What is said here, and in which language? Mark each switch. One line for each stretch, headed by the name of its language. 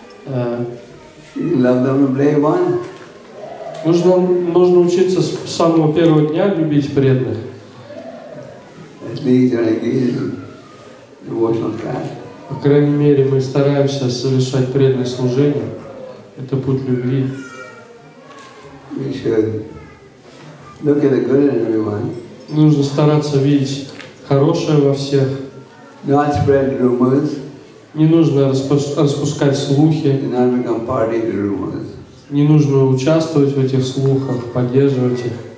English: love them from day one.
Russian: Нужно учиться с самого первого дня любить преданных. По крайней мере, мы стараемся совершать преданное служение. Это путь любви.
English: We should look at the good in everyone.
Russian: Нужно стараться видеть хорошее во всех.
English: Not spread rumors.
Russian: Не нужно распускать слухи.
English: Not become party to rumors.
Russian: Не нужно участвовать в этих слухах, поддерживать их.